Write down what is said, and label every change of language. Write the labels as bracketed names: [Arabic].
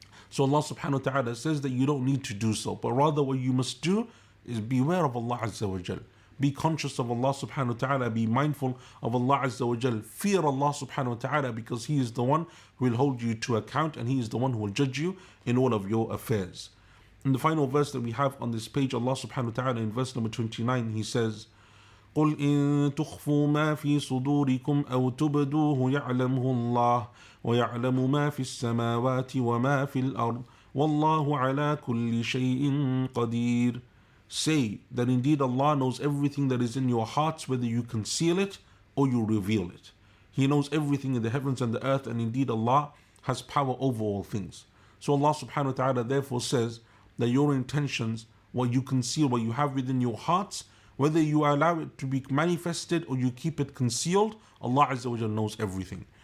[English] So Allah subhanahu wa ta'ala says that you don't need to do so, but rather what you must do is beware of Allah Azza wa Jal. Be conscious of Allah subhanahu wa ta'ala, be mindful of Allah Azza wa Jal. Fear Allah subhanahu wa ta'ala, because He is the one who will hold you to account and He is the one who will judge you in all of your affairs. In the final verse that we have on this page, Allah subhanahu wa ta'ala in verse number 29, He says, [Arabic] قُلْ إِن تُخْفُوا مَا فِي صُدُورِكُمْ أَوْ تُبْدُوهُ يَعْلَمُهُ اللَّهُ وَيَعْلَمُ مَا فِي السَّمَاوَاتِ وَمَا فِي الْأَرْضِ وَاللَّهُ عَلَى كُلِّ شَيْءٍ قَدِيرٌ. [English] Say that indeed Allah knows everything that is in your hearts, whether you conceal it or you reveal it. He knows everything in the heavens and the earth, and indeed Allah has power over all things. So Allah subhanahu wa ta'ala therefore says that your intentions, what you conceal, what you have within your hearts, whether you allow it to be manifested or you keep it concealed, Allah Azza wa Jal knows everything.